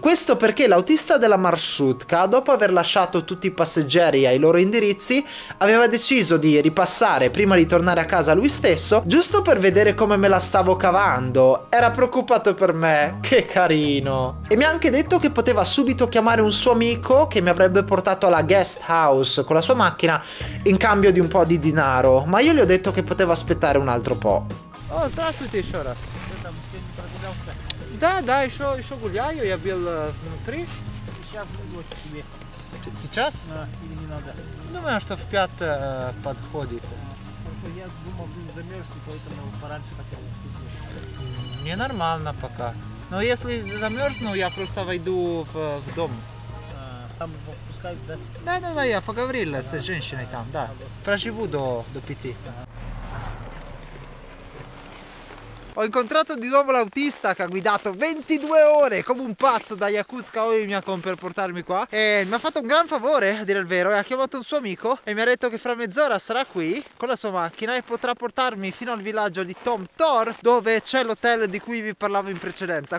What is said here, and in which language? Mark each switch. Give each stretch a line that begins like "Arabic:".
Italian: Questo perché l'autista della marsutka, dopo aver lasciato tutti i passeggeri ai loro indirizzi, aveva deciso di ripassare prima di tornare a casa lui stesso, giusto per vedere come me la stavo cavando. Era preoccupato per me, che carino. E mi ha anche detto che poteva subito chiamare un suo amico che mi avrebbe portato alla guest house con la sua macchina in cambio di un po' di denaro. Ma io gli ho detto che potevo aspettare un altro po'.
Russian: Oh, здравствуйте ещё раз. Да, ещё гуляю, я был внутри. Сейчас вот тебе. Сейчас? Да, или не надо. Думаю, что в 5 подходит. Просто я думал, ты замёрз, поэтому пораньше хотел идти. Не нормально пока. Но если замёрзну, я просто войду в дом. Там пускают, да? Да, я поговорил с женщиной там, да. Проживу до 5.
Italian: Ho incontrato di nuovo l'autista che ha guidato 22 ore come un pazzo da Yakutsk a Oimiakon per portarmi qua. E mi ha fatto un gran favore, a dire il vero, e ha chiamato un suo amico e mi ha detto che fra mezz'ora sarà qui con la sua macchina e potrà portarmi fino al villaggio di Tom Tor, dove c'è l'hotel di cui vi parlavo in precedenza.